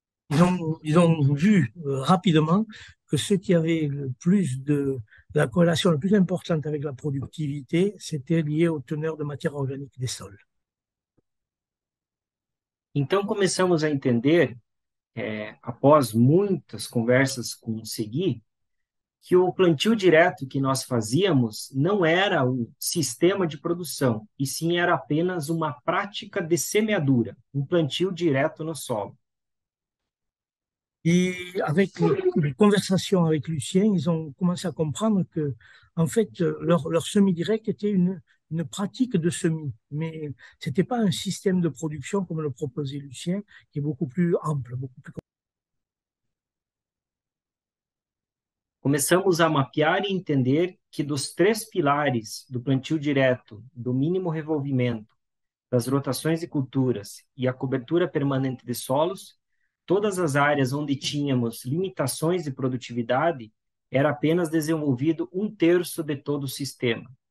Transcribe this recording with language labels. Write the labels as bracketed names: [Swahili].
[French] Ils ont vu rapidement que ceux qui avaient le plus de la corrélation la plus importante avec la productivité, c'était lié aux teneurs de matière organique des sols. [Portuguese] Então começamos a entender, após muitas conversas com o Segui, que o plantio direto que nós fazíamos não era um sistema de produção, e sim era apenas uma prática de semeadura, um plantio direto no solo. [French] Et avec les conversations avec Lucien, ils ont commencé à comprendre que, en fait, leur semis direct était une pratique de semis. Mais ce n'était pas un système de production comme le proposait Lucien, qui est beaucoup plus ample, beaucoup plus. [Portuguese] Começamos a mapear e entender que dos três pilares do plantio direto, do mínimo revolvimento, das rotações de culturas e a cobertura permanente de solos, todas as áreas onde tínhamos limitações de produtividade, era apenas desenvolvido um terço de todo o sistema.